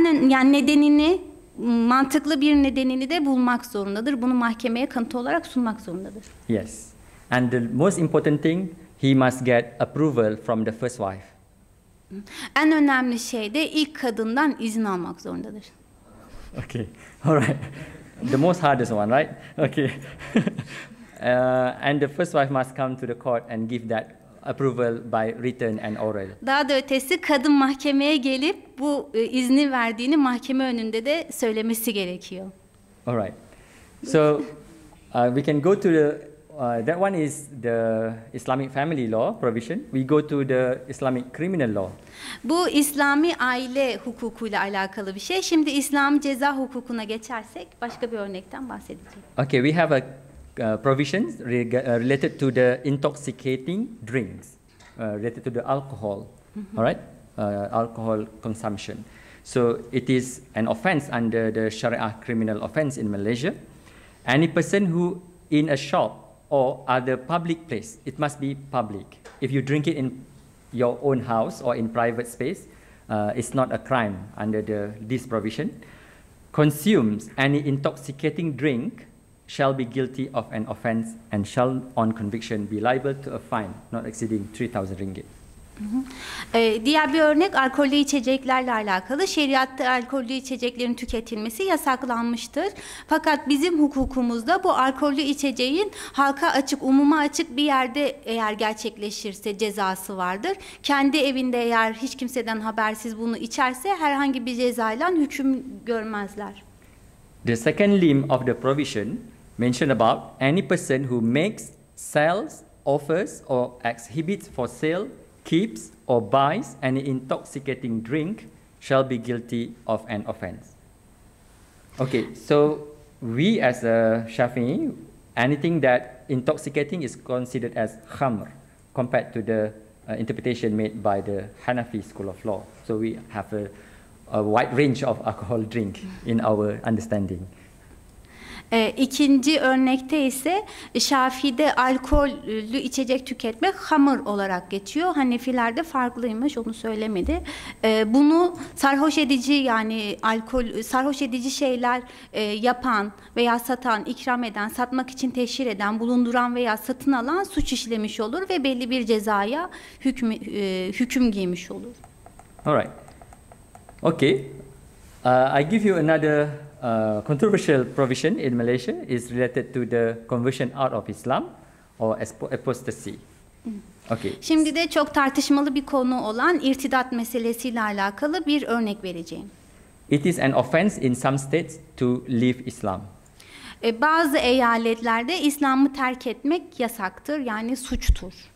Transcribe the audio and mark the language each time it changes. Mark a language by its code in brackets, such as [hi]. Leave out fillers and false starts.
[tr] yani nedenini, mantıklı bir nedenini de bulmak zorundadır. Bunu mahkemeye kanıt olarak sunmak zorundadır. [en] Yes. And the most important thing, he must get approval from the first wife. [tr] En önemli şey de ilk kadından izin almak zorundadır. [en] Okay. All right. The most hardest one, right? Okay. and the first wife must come to the court and give that approval by written and oral. [tr] Daha da ötesi, kadın mahkemeye gelip bu izni verdiğini mahkeme önünde de söylemesi gerekiyor. [en] All right. So we can go to the that one is the Islamic family law provision. We go to the Islamic criminal law. [tr] Bu İslami aile hukukuyla alakalı bir şey. Şimdi İslam ceza hukukuna geçersek başka bir örnekten bahsedeceğim. [en] Okay, we have a provisions related to the intoxicating drinks, related to the alcohol, mm-hmm. All right? Alcohol consumption. So it is an offense under the Sharia criminal offense in Malaysia. Any person who in a shop or other public place, it must be public. If you drink it in your own house or in private space, it's not a crime under this provision. Consumes any intoxicating drink shall be guilty of an offense and shall on conviction be liable to a fine not exceeding 3000 ringgit. [tr] Diğer bir örnek alkollü içeceklerle alakalı. Şeriatta alkollü içeceklerin tüketilmesi yasaklanmıştır. Fakat bizim hukukumuzda bu alkollü içeceğin halka açık, umuma açık bir yerde eğer gerçekleşirse cezası vardır. Kendi evinde eğer hiç kimseden habersiz bunu içerse herhangi bir cezayla hüküm görmezler. [en] The second limb of the provision mentioned about any person who makes, sells, offers or exhibits for sale, keeps or buys any intoxicating drink shall be guilty of an offense. Okay, so we as a Shafi'i, anything that intoxicating is considered as khamr compared to the interpretation made by the Hanafi school of law. So we have a wide range of alcohol drink in our understanding. [tr] İkinci örnekte ise Şafii'de alkollü içecek tüketmek hamur olarak geçiyor. Hanefilerde farklıymış, onu söylemedi. Bunu sarhoş edici, yani alkol sarhoş edici şeyler yapan veya satan, ikram eden, satmak için teşhir eden, bulunduran veya satın alan suç işlemiş olur ve belli bir cezaya hüküm giymiş olur. [en] All right. Okay, I give you another controversial provision in Malaysia. It's related to the conversion out of Islam or apostasy. Okay. [tr] Şimdi de çok tartışmalı bir konu olan irtidat meselesiyle alakalı bir örnek vereceğim. [en] It is an offense in some states to leave Islam. [tr] Bazı eyaletlerde İslam'ı terk etmek yasaktır, yani suçtur.